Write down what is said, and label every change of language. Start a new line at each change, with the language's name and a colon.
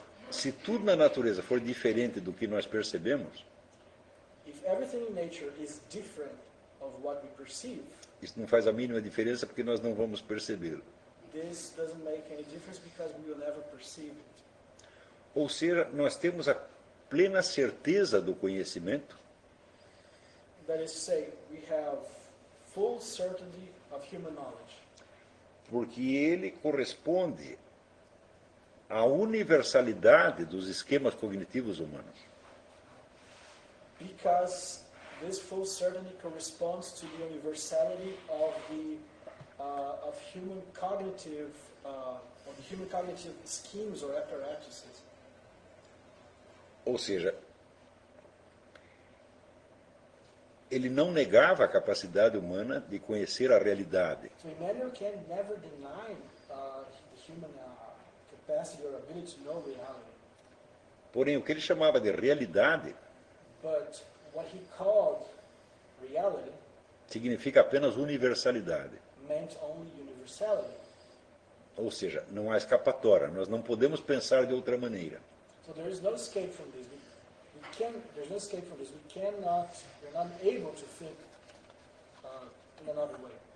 Portuguese: Se tudo na natureza for diferente do que nós percebemos,
English: if everything in nature is different of what we perceive,
Portuguese: isso não faz a mínima diferença porque nós não vamos percebê-lo.
English: This doesn't make any difference because we will never perceive it.
Portuguese: Ou seja, nós temos a plena certeza do conhecimento.
English: That is to say, we have full certainty of human knowledge.
Portuguese: Porque ele corresponde à universalidade dos esquemas cognitivos humanos.
English: Because this full certainty corresponds to the universality of the of human cognitive of the human cognitive schemes or apparatuses.
Portuguese: Ou seja, ele não negava a capacidade humana de conhecer a realidade.
English: So Immanuel Kant never denied the human capacity or ability to know reality.
Portuguese: Porém, o que ele chamava de realidade.
English: But what he called reality
Portuguese: significa apenas universalidade.
English: Meant only universality.
Portuguese: Ou seja, não há escapatória, nós não podemos pensar de outra maneira.
English: So there is no escape from this. There's no escape from this. We cannot, we're not able to think in another way.